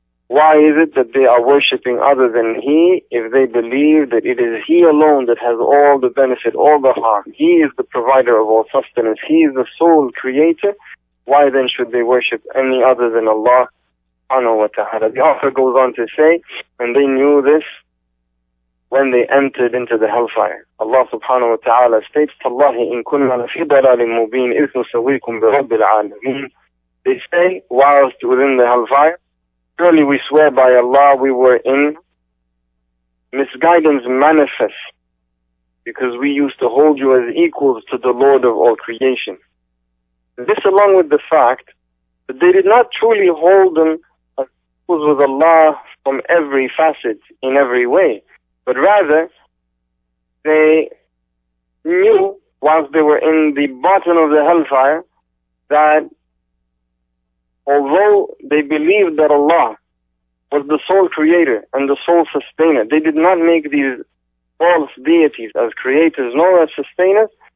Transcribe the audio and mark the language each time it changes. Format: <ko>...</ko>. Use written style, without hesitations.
<en>Why is it that they are worshipping other than He if they believe that it is He alone that has all the benefit, all the harm? He is the provider of all sustenance. He is the sole creator. Why then should they worship any other than Allah? The author goes on to say, and they knew this when they entered into the hellfire. Allah subhanahu wa ta'ala states,</en> <ar>تَاللَّهِ إِن كُنَّا لَفِي ضَلَالٍ مُبِينٍ إِذْ نُسَوِّيكُمْ بِرَبِّ الْعَالَمِينَ.</ar> <en>They say, whilst within the hellfire, surely we swear by Allah we were in misguidance manifest, because we used to hold you as equals to the Lord of all creation. This along with the fact that they did not truly hold them as equals with Allah from every facet, in every way, but rather they knew whilst they were in the bottom of the hellfire that although they believed that Allah was the sole creator and the sole sustainer, they did not make these false deities as creators nor as sustainers.</en>